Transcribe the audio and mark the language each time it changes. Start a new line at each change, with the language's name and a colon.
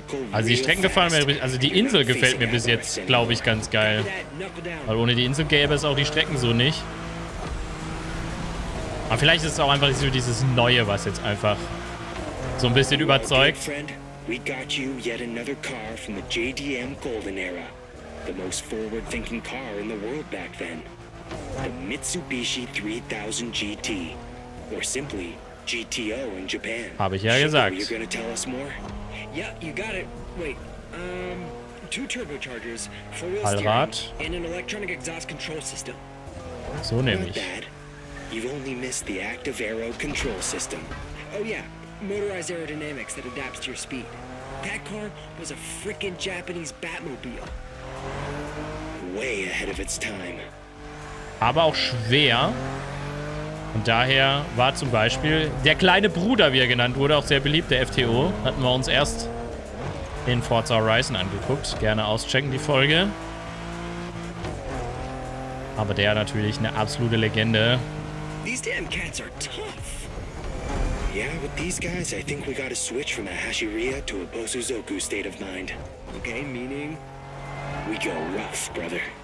German: Also die Strecken gefallen mir, also die Insel gefällt mir bis jetzt, glaube ich, ganz geil. Weil ohne die Insel gäbe es auch die Strecken so nicht. Aber vielleicht ist es auch einfach so dieses Neue, was jetzt einfach so ein bisschen überzeugt.
English: We got you yet another car from the JDM Golden Era. The most forward-thinking car in the world back then. The Mitsubishi 3000 GT. Or simply GTO in Japan.
German: Habe ich ja gesagt.
English: You're gonna tell us more? Yeah, you got it. Wait, two turbochargers, four-wheel steering, and an electronic exhaust control system.
German: So nämlich.
English: You've only missed the active aero control system. Oh yeah, motorized aerodynamics that adapts to your speed. That car was a freaking Japanese Batmobile. Way ahead of its time.
German: Aber auch schwer. Und daher war zum Beispiel der kleine Bruder, wie er genannt wurde, auch sehr beliebt, der FTO. Hatten wir uns erst in Forza Horizon angeguckt. Gerne auschecken, die Folge. Aber der natürlich eine absolute Legende.
English: These damn cats are tough. Yeah, with these guys, I think we gotta switch from a Hashiriya to a Bosuzoku state of mind. Okay, meaning we go rough, brother.